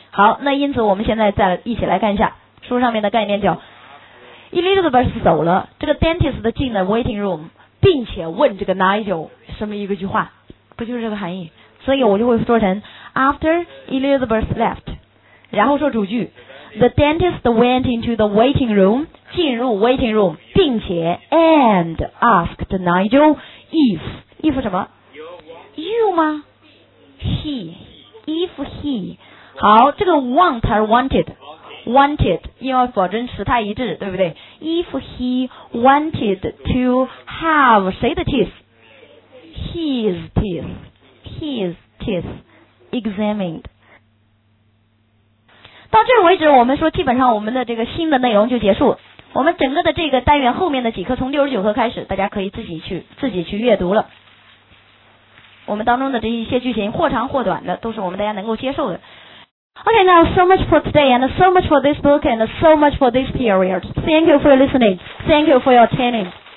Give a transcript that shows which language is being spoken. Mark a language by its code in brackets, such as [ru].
[zh] 好，那因此我们现在再一起来看一下书上面的概念，叫 Elizabeth 走了，这个 dentist 进了 waiting room，并且问这个 Nigel 什么一个句话，不就是这个含义？所以我就会说成 [en] after Elizabeth left， [zh] 然后说主句 [en] The dentist went into the waiting room, [zh] 进入 [en] waiting room, [zh] 并且 [en] and asked Nigel if, if [zh] 什么 [en] you [zh] 吗 [en] he, if he, [zh] 好，这个 [en] want [zh] 还是 [en] wanted, wanted, [zh] 因为保证时态一致，对不对？ [en] If he wanted to have [zh] 谁的 [en] teeth? His teeth, his teeth examined. [zh] 到这为止，我们说基本上我们的这个新的内容就结束。我们整个的这个单元后面的几课，从69课开始，大家可以自己去阅读了。我们当中的这一些句型，或长或短的，都是我们大家能够接受的。 [en] Okay, now so much for today, and so much for this book, and so much for this period. Thank you for your listening. Thank you for your attending.